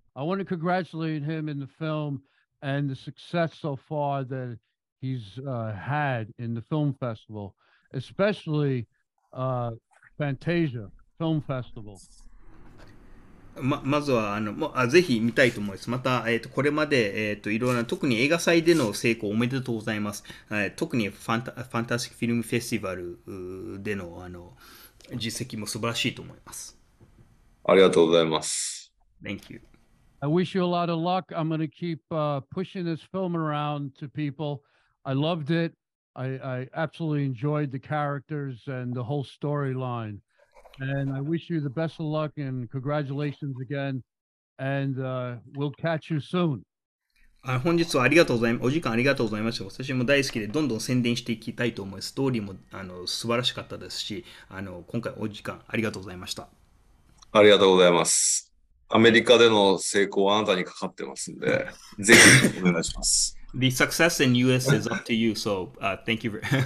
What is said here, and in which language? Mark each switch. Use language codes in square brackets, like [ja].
[en] I want to congratulate him in the film and the success so far that he's had in the film festival, especially Fantasia Film Festival. [ja] まずはあのもうぜひ見たいと思います。また、これまで、いろんな特に映画祭での成功おめでとうございます。特にファンタスティックフィルムフェスティバルでの、あの実績も素晴らしいと思います。ありがとうございます。 [en] Thank you. I wish you a lot of luck. I'm going to keep pushing this film around to people. I loved it. I absolutely enjoyed the characters and the whole storyline. And I wish you the best of luck and congratulations again. And we'll catch you soon. [ja] 本日はありがとうございます。お時間ありがとうございました。私も大好きでどんどん宣伝していきたいと思います。ストーリーも素晴らしかったですし、今回お時間ありがとうございました。ありがとうございます。アメリカでの成功はあなたにかかってますんで、ぜひお願いします。 [en] The success in US is up to you, so thank you.